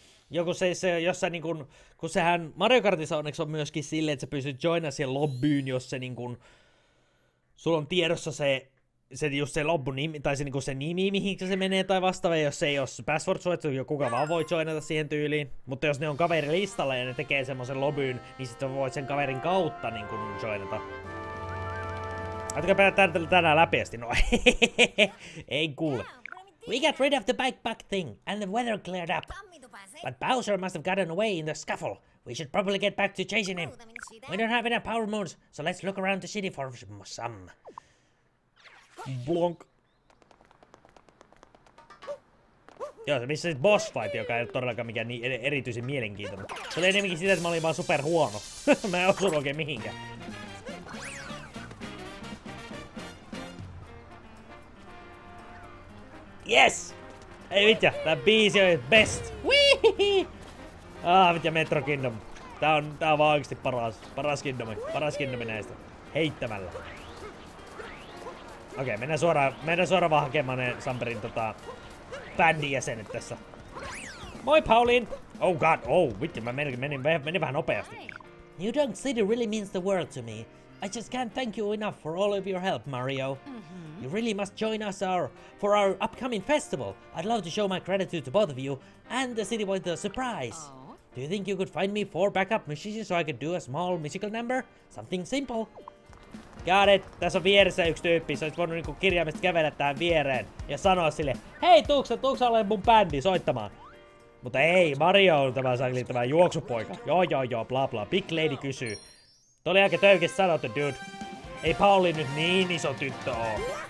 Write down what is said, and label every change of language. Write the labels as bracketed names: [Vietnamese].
[Finnish] Joku se jossa niin kun, sehän Mario Kartissa onneksi on myöskin silleen, että sä pystyt joinaa siihen lobbyyn, jos se niin kun, sulla on tiedossa se just se lobbynimi, tai se, niin kun se nimi, mihin se menee tai vastaava, jos se ei ole se password suojattu, jo kuka vaan voi joinata siihen tyyliin. Mutta jos ne on kaveri listalla ja ne tekee semmoisen lobbyyn, niin sitten voi sen kaverin kautta niin kun joinata. Ajatko päättää tänään läpi asti? No ei kuule. [English] We got rid of the backpack thing, and the weather cleared up. But Bowser must have gotten away in the scuffle. We should probably get back to chasing him. We don't have enough power moons, so let's look around the city for some. Blonk. [Finnish] Joo, se missä sit boss fight, joka ei todellakaan mikään niin erityisen mielenkiintoinen. Se oli enemmänkin sitä, että mä olin vaan super huono. Mä en osunut oikein mihinkään. [English] Yes! [Finnish] Ei vittu, tää biisi on best! Ah, mitä Metro Kingdom. Tää on vaan oikeesti paras kingdomi näistä. Heittämällä. Okei, mennään suoraan vaan hakemaan ne Samperin bändin jäsenet tässä. Moi Pauline! [English] Oh god, [Finnish] oh vittu, mä menin vähän nopeasti. [English] New Dunk City really means the world to me. I just can't thank you enough for all of your help, Mario. You really must join us for our upcoming festival. I'd love to show my gratitude to both of you and the city with a surprise. Aww. Do you think you could find me 4 backup musicians so I could do a small musical number? Something simple. Got it. [Finnish] Tässä on vieressä yksi tyyppi. Sä olis voinut niinku kirjaimesti kävellä tähän viereen ja sanoa sille: hei, tuuksä olemaan mun bändi soittamaan. Mutta ei, Mario on tämä juoksupoika. Joo, bla bla. Big Lady kysyy. Tuli aika töykeä sanottu, dude. Ei Pauli nyt niin iso tyttö oo.